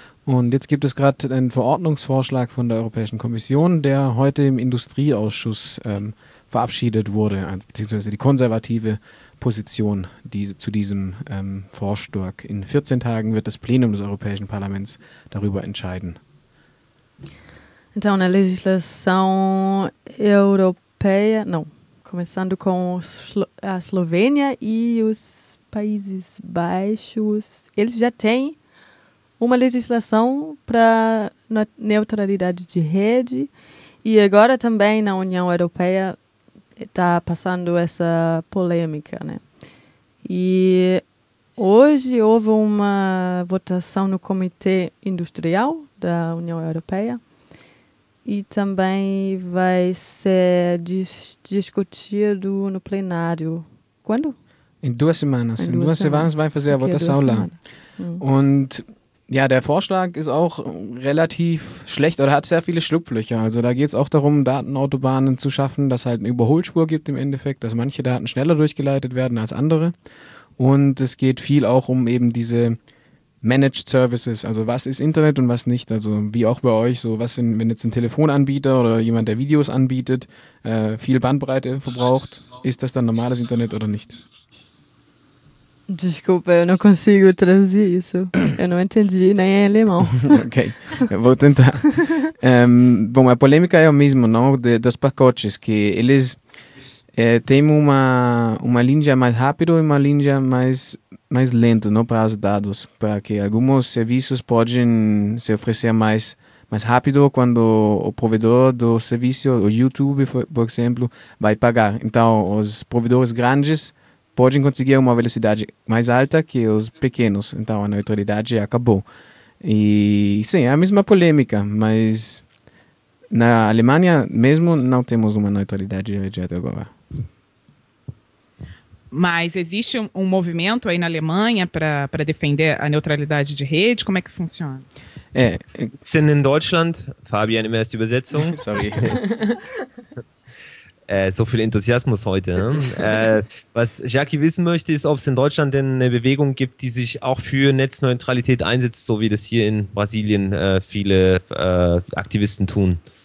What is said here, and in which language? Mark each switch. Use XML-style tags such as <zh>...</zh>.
<de>Und jetzt gibt es gerade einen Verordnungsvorschlag von der Europäischen Kommission, der heute im Industrieausschuss verabschiedet wurde, beziehungsweise die konservative Position zu diesem Vorschlag. In 14 Tagen wird das Plenum des Europäischen Parlaments darüber entscheiden.</de> <pt>Então, na legislação europeia, não, começando com a Eslovênia e os Países Baixos, eles já têm uma legislação para neutralidade de rede e agora também na União Europeia está passando essa polêmica, né? E hoje houve uma votação no Comitê Industrial da União Europeia. E também vai ser discutido no plenário. Quando? Em duas semanas vai fazer a votação lá.</pt> <de>Und ja, der Vorschlag ist auch relativ schlecht oder hat sehr viele Schlupflöcher. Also da geht es auch darum, Datenautobahnen zu schaffen, dass halt eine Überholspur gibt im Endeffekt, dass manche Daten schneller durchgeleitet werden als andere. Und es geht viel auch um eben diese Managed Services, also was ist Internet und was nicht, also wie auch bei euch, so was sind, wenn jetzt ein Telefonanbieter oder jemand, der Videos anbietet, viel Bandbreite verbraucht, ist das dann normales Internet oder nicht?</de> <pt>Desculpa, eu não consigo traduzir isso. Eu não entendi nem em alemão. Ok, eu vou tentar. Bom, a polêmica é o mesmo, não? Dos pacotes, que eles têm uma linha mais rápida e uma linha mais lento, não, para os dados, para que alguns serviços podem se oferecer mais rápido quando o provedor do serviço, o YouTube, por exemplo, vai pagar. Então, os provedores grandes podem conseguir uma velocidade mais alta que os pequenos. Então, a neutralidade acabou. E, sim, é a mesma polêmica, mas na Alemanha mesmo não temos uma neutralidade direta agora. Mas existe um movimento aí na Alemanha para defender a neutralidade de rede? Como é que funciona?</pt> <de>Sind in Deutschland, Fabian, immer erst Übersetzung. Sorry. So viel Enthusiasmus heute. Ne? Was Jackie wissen möchte, ist, ob es in Deutschland denn eine Bewegung gibt, die sich auch für Netzneutralität einsetzt, so wie das hier in Brasilien viele Aktivisten tun.</de>